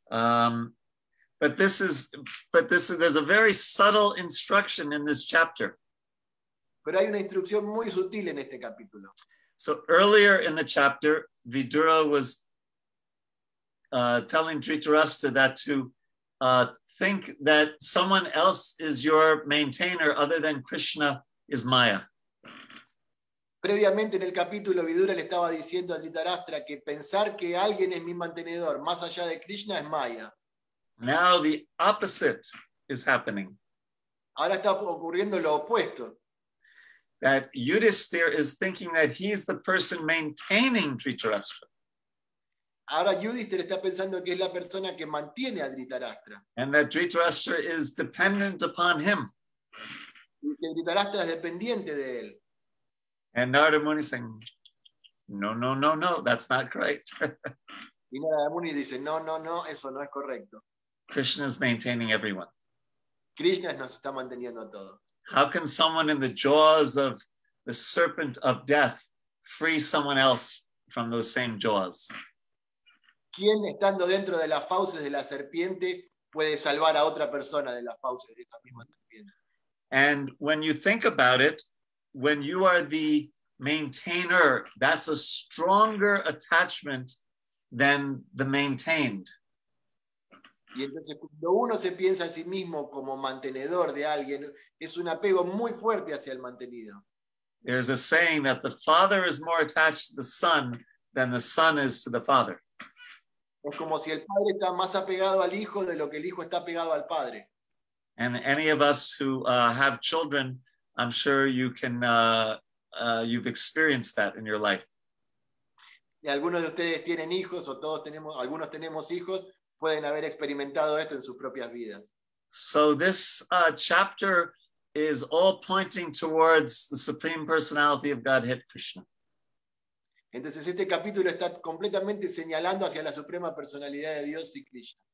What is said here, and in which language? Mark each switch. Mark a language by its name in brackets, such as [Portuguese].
[English] But this is there's a very subtle instruction in this chapter. [Spanish] Pero hay una instrucción muy sutil en este capítulo. [English] So earlier in the chapter, Vidura was telling Dhritarashtra that to think that someone else is your maintainer other than Krishna is Maya. [Spanish] Previamente en el capítulo, Vidura le estaba diciendo a Dhritarashtra que pensar que alguien es mi mantenedor más allá de Krishna es Maya. [English] Now the opposite is happening. [Spanish] Ahora está ocurriendo lo opuesto. [English] That Yudhisthira is thinking that he's the person maintaining Dhritarashtra. [Spanish] Ahora Yudhisthira está pensando que es la persona que mantiene a Dhritarashtra. [English] And that Dhritarashtra is dependent upon him. [Spanish] Y que Dhritarashtra es dependiente de él. [English] And Narada Muni saying, no, that's not correct. [Spanish] Y Narada Muni dice, no, eso no es correcto. [English] Krishna is maintaining everyone. [Spanish] Krishna nos está manteniendo a todos. [English] How can someone in the jaws of the serpent of death free someone else from those same jaws? [Spanish] ¿Quién estando dentro de las fauces de la serpiente puede salvar a otra persona de las fauces de esta misma serpiente? [English] And when you think about it, when you are the maintainer, that's a stronger attachment than the maintained. [Spanish] Y entonces cuando uno se piensa a sí mismo como mantenedor de alguien, es un apego muy fuerte hacia el mantenido. [English] There's a saying that the father is more attached to the son than the son is to the father. [Spanish] Es como si el padre está más apegado al hijo de lo que el hijo está apegado al padre. [English] And any of us who have children, I'm sure you can you've experienced that in your life. [Spanish] Y algunos de ustedes tienen hijos o todos tenemos, algunos tenemos hijos. Pueden haber experimentado esto en sus propias vidas. [English] So this chapter is all pointing towards the Supreme Personality of Godhead Krishna. [Spanish] Entonces este capítulo está completamente señalando hacia la suprema personalidad de Dios y Krishna.